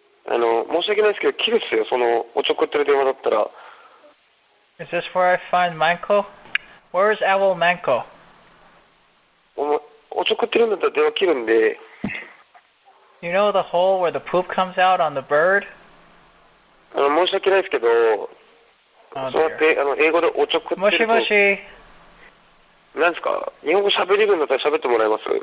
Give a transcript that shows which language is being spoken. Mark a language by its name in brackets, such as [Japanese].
[Japanese] あの、申し訳ないですけど、キルスよ、その、おちょくってる電話だったら。 [English] Is this where I find Manco? Where is Owl Manco? [Japanese] おちょくってるんだったら電話切るんで。 [English] You know the hole where the poop comes out on the bird? [Japanese] あの、申し訳ないですけど、そうやって、あの、英語でおちょくってると。もしもし。なんですか、日本語喋れるんだったら喋ってもらえます？